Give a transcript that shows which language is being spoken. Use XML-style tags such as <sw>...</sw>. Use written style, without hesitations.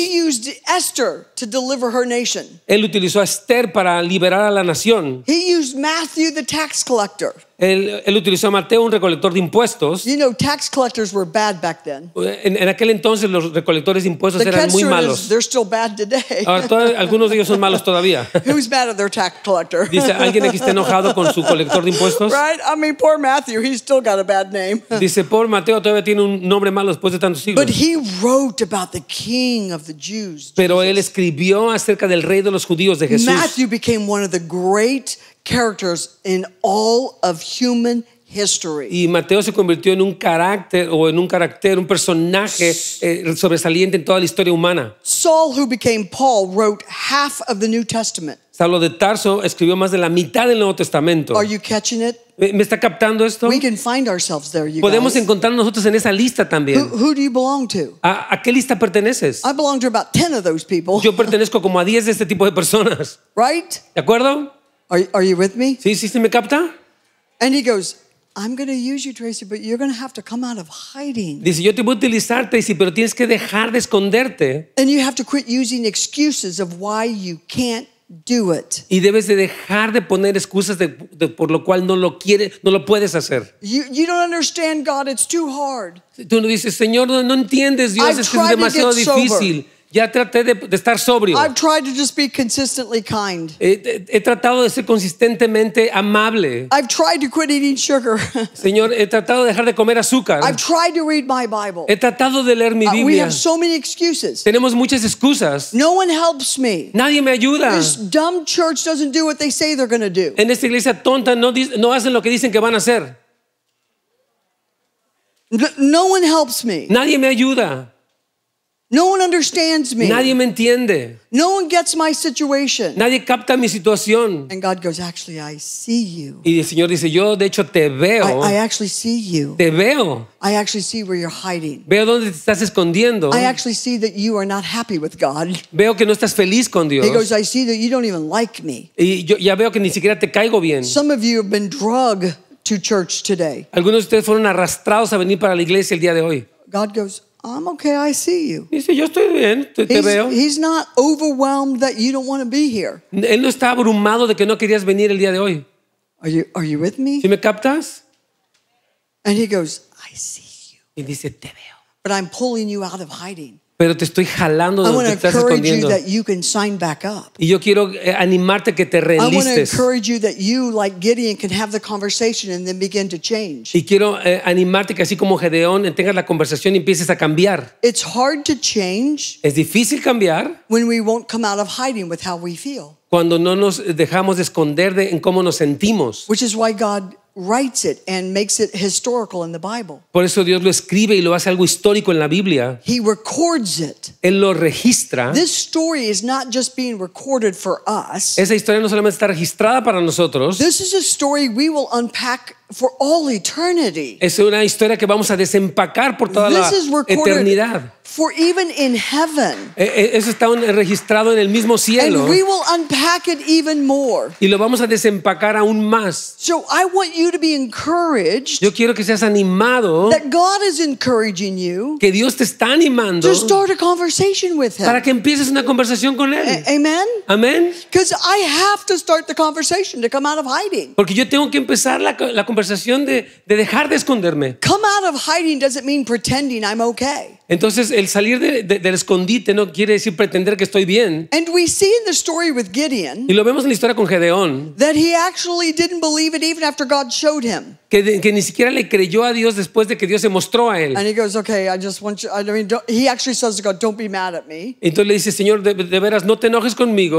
<en>He used Esther to deliver her nation.</en> <es>Él utilizó a Esther para liberar a la nación.</es> <en>He used Matthew the tax collector.</en> <es>Él utilizó a Mateo, un recolector de impuestos.</es> <en>You know, tax collectors were bad back then.</en> <es>En aquel entonces los recolectores de impuestos</es> <en>the</en> <es>eran muy malos.</es> <en>Is, they're still bad today.</en> <es>Ahora, algunos de ellos son malos todavía.</es> <en>Who's mad at their tax collector?</en> <es>Dice, ¿alguien aquí está enojado con su colector de impuestos?</es> <en>Right? I mean, poor Matthew, he's still got a bad name.</en> <es>Dice, pobre Mateo todavía tiene un nombre malo después de tantos siglos.</es> <en>But he wrote about the king of the Jews, Jesus.</en> <es>Pero él escribió acerca del rey de los judíos, de Jesús.</es> <en>Matthew became one of the great characters in all of human history.</en> <es>Y Mateo se convirtió en un carácter o en un carácter, un personaje sobresaliente en toda la historia humana.</es> <en>Saul, who became Paul, wrote half of the New Testament.</en> <es>Saulo de Tarso escribió más de la mitad del Nuevo Testamento.</es> <en>Are you catching it?</en> <es>¿Me está captando esto?</es> <en>We can find ourselves there, you</en> <es>podemos</es> <en>guys.</en> <es>Encontrarnos nosotros en esa lista también.</es> <en>Who do you belong to?</en> <es>¿A qué lista perteneces?</es> <en>I belong to about 10 of those people.</en> <es>Yo pertenezco como a 10 de este tipo de personas.</es> <en>Right?</en> <es>¿De acuerdo?</es> <en>Are you with me?</en> <es>Sí, sí, sí, me capta.</es> <en>And he goes, I'm going to use you, Tracey, but you're going to have to come out of hiding.</en> <es>Dice, yo te voy a utilizar, Tracey, pero tienes que dejar de esconderte.</es> <en>And you have to quit using excuses of why you can't do it.</en> <es>Y debes de dejar de poner excusas de por lo cual no lo quieres, no lo puedes hacer.</es> <en>You don't understand, God, it's too hard.</en> <es>Tú no dices, Señor, no entiendes, Dios, es que es demasiado difícil. Ya traté de estar sobrio.</es> <en>I've tried to just be consistently kind.</en> <es>He tratado de ser consistentemente amable.</es> <en>I've tried to quit eating sugar.</en> <es>Señor, he tratado de dejar de comer azúcar.</es> <en>I've tried to read my Bible.</en> <es>He tratado de leer mi Biblia.</es> <en>We have so many excuses.</en> <es>Tenemos muchas excusas.</es> <en>No one helps me.</en> <es>Nadie me ayuda.</es> <en>This dumb church doesn't do what they say they're going to do.</en> <es>En esta iglesia tonta no hacen lo que dicen que van a hacer.</es> <en>No one helps me.</en> <es>Nadie me ayuda.</es> <en>No one understands me.</en> <es>Nadie me entiende.</es> <en>No one gets my situation.</en> <es>Nadie capta mi situación.</es> <en>And God goes, actually, I see you.</en> <es>Y el Señor dice, yo de hecho te veo.</es> <en>I actually see you.</en> <es>Te veo.</es> <en>I actually see where you're hiding.</en> <es>Veo dónde te estás escondiendo.</es> <en>I actually see that you are not happy with God.</en> <es>Veo que no estás feliz con Dios.</es> <en>He goes, I see that you don't even like me.</en> <es>Y yo ya veo que ni siquiera te caigo bien.</es> <en>Some of you have been drugged to church today.</en> <es>Algunos de ustedes fueron arrastrados a venir para la iglesia el día de hoy.</es> <en>God goes, I'm okay, I see you.</en> <es>Dice, yo estoy bien, te veo.</es> <en>He's not overwhelmed that you don't want to be here.</en> <es>Él no está abrumado de que no querías venir el día de hoy.</es> <en>Are you with me?</en> <es>¿Sí me captas?</es> <en>And he goes, I see you.</en> <es>Y dice, te veo.</es> <en>But I'm pulling you out of hiding.</en> <es>Pero te estoy jalando de donde estás escondiendo.</es> <en>You that you can sign back up.</en> <es>Y yo quiero animarte a que te reenlistes.</es> <en>Like Gideon, can have the conversation and then begin to change.</en> <es>Y quiero animarte que así como Gedeón tengas la conversación y empieces a cambiar.</es> <en>It's hard to change.</en> <es>Es difícil cambiar.</es> <en>When we won't come out of hiding with how we feel.</en> <es>Cuando no nos dejamos de esconder de en cómo nos sentimos.</es> <en>Which is why God writes it and makes it historical in the Bible.</en> <es>Por eso Dios lo escribe y lo hace algo histórico en la Biblia.</es> <en>He records it.</en> <es>Él lo registra.</es> <en>This story is not just being recorded for us.</en> <es>Esa historia no solamente está registrada para nosotros.</es> <en>This is a story we will unpack for all eternity.</en> <es>Es una historia que vamos a desempacar por toda la eternidad.</es> <en>For even in heaven.</en> <es>Eso está registrado en el mismo cielo.</es> <en>And we will unpack it even more.</en> <es>Y lo vamos a desempacar aún más.</es> <en>So I want you to be encouraged.</en> <es>Yo quiero que seas animado.</es> <en>That God is encouraging you.</en> <es>Que Dios te está animando.</es> <en>To start a conversation with him.</en> <es>Para que empieces una conversación con él.</es> <en>Amen.</en> <es>Amen.</es> <en>Because I have to start the conversation to come out of hiding.</en> <es>Porque yo tengo que empezar la conversación de dejar de esconderme.</es> <en>Come out of hiding doesn't mean pretending I'm okay.</en> <es>Entonces, el salir del escondite no quiere decir pretender que estoy bien.</es> <en>And we see in the story with Gideon,</en> <es>y lo vemos en la historia con Gedeón,</es> <en>that he actually didn't believe it even after God showed him.</en> <es>Que ni siquiera le creyó a Dios después de que Dios se mostró a él.</es> <en>And he goes, okay, I just want you, I mean, don't, he actually says to God, don't be mad at me.</en> <es>Entonces le dice, Señor, de veras, no te enojes conmigo.</es>